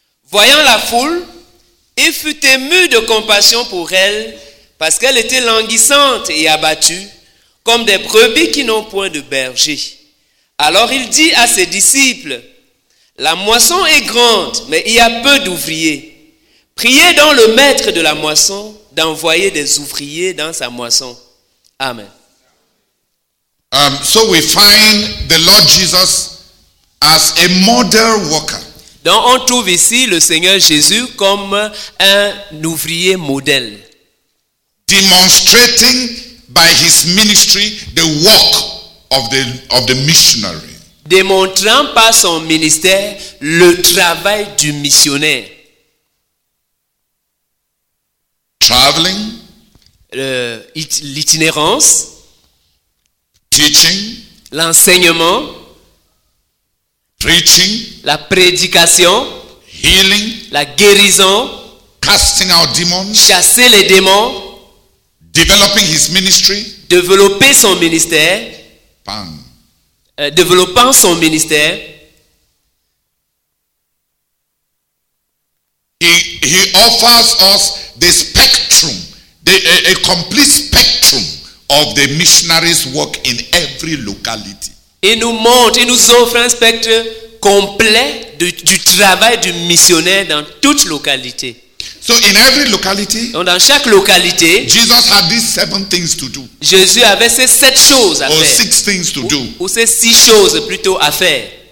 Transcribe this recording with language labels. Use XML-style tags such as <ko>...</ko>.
<fr>Voyant la foule, il fut ému de compassion pour elle, parce qu'elle était languissante et abattue, comme des brebis qui n'ont point de berger. Alors il dit à ses disciples, « La moisson est grande, mais il y a peu d'ouvriers. Priez donc le maître de la moisson d'envoyer des ouvriers dans sa moisson. Amen.</fr> <en>So we find the Lord Jesus as a model worker.</en> <fr>Donc on trouve ici le Seigneur Jésus comme un ouvrier modèle.</fr> <en>Demonstrating by his ministry the work of the missionary.</en> <fr>Démontrant par son ministère le travail du missionnaire.</fr> <en>Traveling.</en> <fr>L'itinérance.</fr> <en>Teaching.</en> <fr>L'enseignement.</fr> <en>Preaching.</en> <fr>La prédication.</fr> <en>Healing.</en> <fr>La guérison.</fr> <en>Casting out demons.</en> <fr>Chasser les démons.</fr> <en>Developing his ministry.</en> <fr>Développer son ministère. Bam. Développant son ministère.</fr> <en>He offers us the spectrum, a complete spectrum of the missionary's work in every locality.</en> <fr>Il nous montre, il nous offre un spectre complet du travail du missionnaire dans toute localité.</fr> <en>So in every locality,</en> <fr>donc dans chaque localité,</fr> <en>Jesus had these seven things to do.</en> <fr>Jésus avait ces sept choses à</fr> <en>or</en> <fr>faire.</fr> <en>Six things to do.</en> <fr>Ou ces six choses plutôt à faire.</fr>